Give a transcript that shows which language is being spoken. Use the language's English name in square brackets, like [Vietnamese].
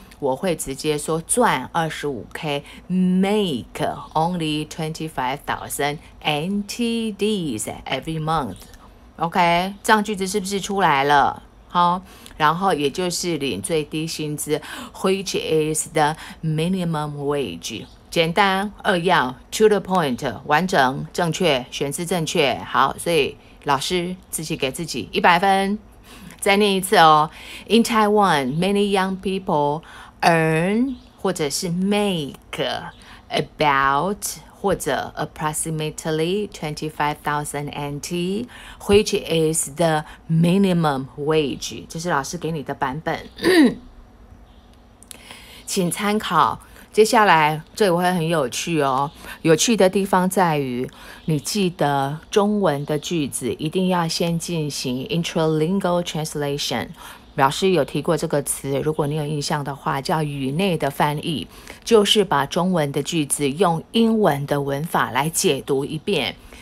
[Chinese] 我会直接说赚 25K， [English] make only 25,000 NTDs every month， [Chinese] OK， 这样句子是不是出来了？好，然后也就是领最低薪资， [English] which is the minimum wage， [Chinese] 简单扼要， [English] to the point， [Chinese] 完整正确，选字正确。好，所以老师自己给自己100分。再念一次哦， [English] in Taiwan many young peopleearn [Chinese] 或者是 [English] make about [Chinese] 或者 [English] approximately 25,000 NT, which is the minimum wage. [Chinese] 这是老师给你的版本。请参考。接下来这也会很有趣哦。有趣的地方在于，你记得中文的句子一定要先进行 intralingual translation。老师有提过这个词，如果你有印象的话，叫语内的翻译，就是把中文的句子用英文的文法来解读一遍。